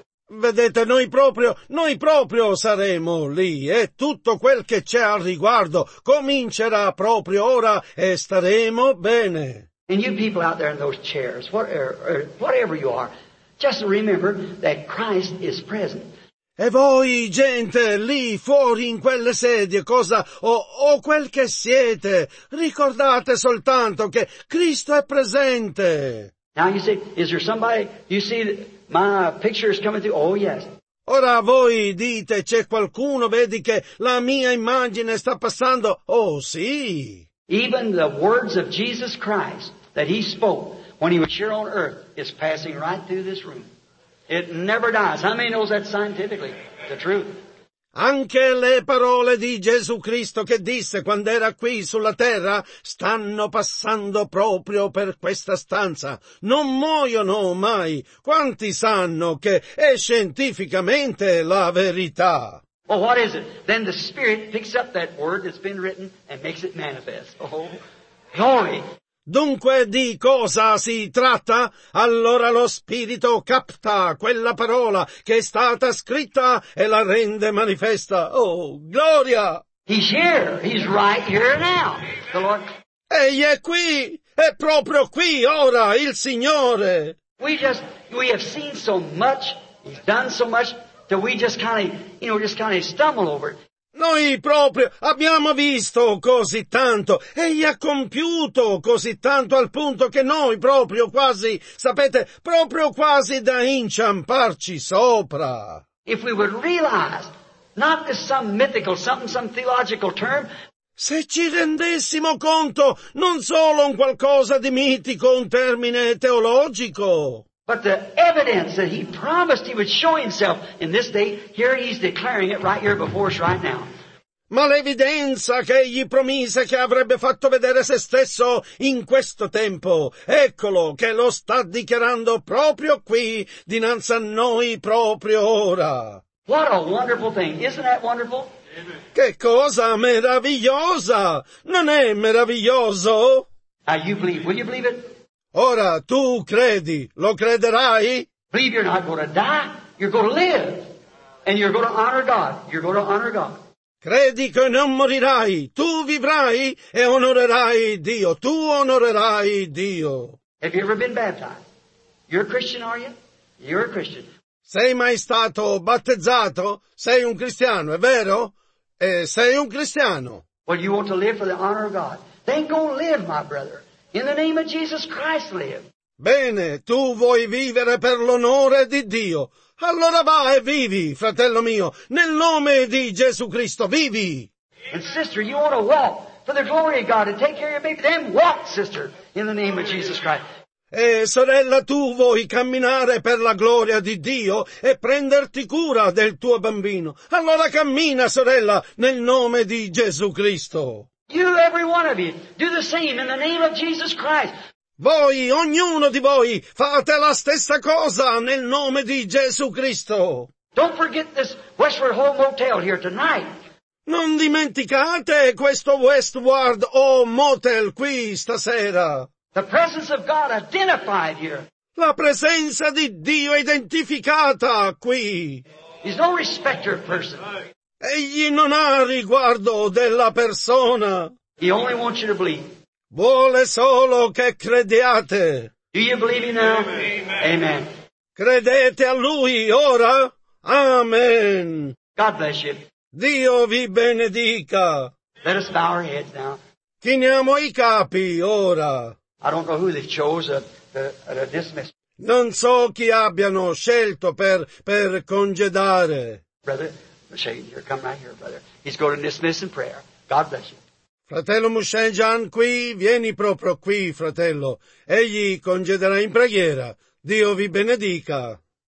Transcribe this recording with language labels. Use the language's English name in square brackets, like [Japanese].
[Italian] Vedete, noi proprio saremo lì, e tutto quel che c'è al riguardo comincerà proprio ora e staremo bene. [English] And you people out there in those chairs, whatever you are, just remember that Christ is present. [Italian] E voi, gente, lì fuori in quelle sedie, cosa o quel che siete, ricordate soltanto che Cristo è presente. [English] Now you say, is there somebody, you see my picture is coming through? Oh yes. [Italian] Ora voi dite, c'è qualcuno, vedi che la mia immagine sta passando? Oh sì. [English] Even the words of Jesus Christ that he spoke when he was here on earth is passing right through this room. It never dies. How many knows that scientifically? The truth. [Italian] Anche le parole di Gesù Cristo che disse quando era qui sulla terra stanno passando proprio per questa stanza. Non muoiono mai. Quanti sanno che è scientificamente la verità? [English] Well, what is it? Then the Spirit picks up that word that's been written and makes it manifest. Oh, glory! [Italian] Dunque di cosa si tratta? Allora lo Spirito capta quella parola che è stata scritta e la rende manifesta. Oh, gloria! [English] He's here. He's right here now. The Lord. [Italian] Egli è qui. È proprio qui ora il Signore. [English] We have seen so much. He's done so much that we just kind of, you know, just kind of stumble over it. [Italian] Noi proprio abbiamo visto così tanto, egli ha compiuto così tanto al punto che noi proprio quasi, sapete, proprio quasi da inciamparci sopra. [English] If we would realize, not this some mythical, some theological term. [Italian] Se ci rendessimo conto, non solo un qualcosa di mitico, un termine teologico. [English] But the evidence that he promised he would show himself in this day, here he's declaring it right here before us right now. [Italian] Ma l'evidenza che egli promise che avrebbe fatto vedere se stesso in questo tempo, eccolo che lo sta dichiarando proprio qui, dinanzi a noi proprio ora. [English] What a wonderful thing, isn't that wonderful? [Italian] Che cosa meravigliosa, non è meraviglioso? [English] Now you believe, will you believe it? [Italian] Ora tu credi, lo crederai? [English] Believe you're not going to die, you're going to live. And you're going to honor God, you're going to honor God. [Italian] Credi che non morirai, tu vivrai e onorerai Dio, tu onorerai Dio. [English] Have you ever been baptized? You're a Christian, are you? You're a Christian. [Italian] Sei mai stato battezzato? Sei un cristiano, è vero? E sei un cristiano. [English] Well, you want to live for the honor of God. Then go live, my brother. In the name of Jesus Christ live. [Italian] Bene, tu vuoi vivere per l'onore di Dio. Allora va e vivi, fratello mio, nel nome di Gesù Cristo, vivi. [English] And sister, you ought to walk for the glory of God and take care of your baby. Then walk, sister, in the name of Jesus Christ. [Italian] E sorella, tu vuoi camminare per la gloria di Dio e prenderti cura del tuo bambino. Allora cammina, sorella, nel nome di Gesù Cristo. [English] You, every one of you, do the same in the name of Jesus Christ. [Italian] Voi, ognuno di voi, fate la stessa cosa nel nome di Gesù Cristo. [English] Don't forget this Westward Home Motel here tonight. [Italian] Non dimenticate questo Westward Home Motel qui stasera. [English] The presence of God identified here. [Italian] La presenza di Dio identificata qui. [English] He's no respecter of person. [Italian] Egli non ha riguardo della persona. [English] He only wants you to believe. [Italian] Vuole solo che crediate. [English] Do you believe him now? Amen. Amen. [Italian] Credete a lui ora? Amen. [English] God bless you. [Italian] Dio vi benedica. [English] Let us bow our heads now. [Italian] Chiniamo i capi ora. [English] I don't know who they've chosen to dismiss. [Italian] Non so chi abbiano scelto per congedare. [English] Brother Mushenjian, come right here, brother. He's going to dismiss in prayer. God bless you. [Italian] Fratello Mushenjian, qui, vieni proprio qui, fratello. Egli congederà in preghiera. Dio vi benedica.